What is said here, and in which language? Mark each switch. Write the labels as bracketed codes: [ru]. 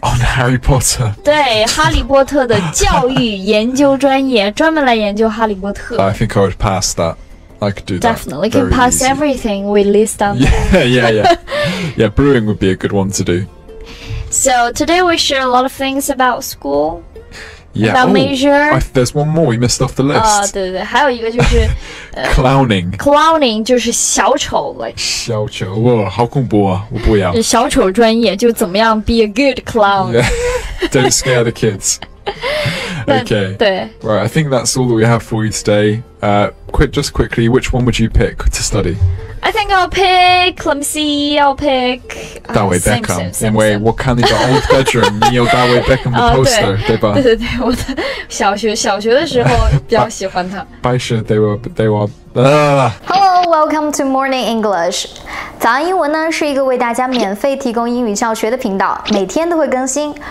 [en] On Harry Potter. [zh] 对，哈利波特的教育研究专业，专门来研究哈利波特。 [en] I think I would pass that. I could do that. Definitely can pass everything we list down. Yeah. Yeah, brewing would be a good one to do. So today we share a lot of things about school. Yeah. About major. There's one more we missed off the list. [zh] 对，还有一个就是 [en] clowning. [zh] Clowning 就是小丑 like. 小丑哇，好恐怖啊！我不要。小丑专业就怎么样 [en] be a good clown. Yeah. Don't scare the kids. Okay. [zh] 对。 [en] Right. I think that's all that we have for you today. Just quickly, which one would you pick to study? I think I'll pick, let me see, I'll pick... David Beckham. In way, what kind of old bedroom? [zh] 你有 [en] David Beckham 的 poster, [zh] 对吧？对对对，我的小学的时候比较喜欢他。 [en] 白雪 they were... Hello, welcome to Morning English. [zh] 早安英文呢是一个为大家免费提供英语教学的频道，每天都会更新。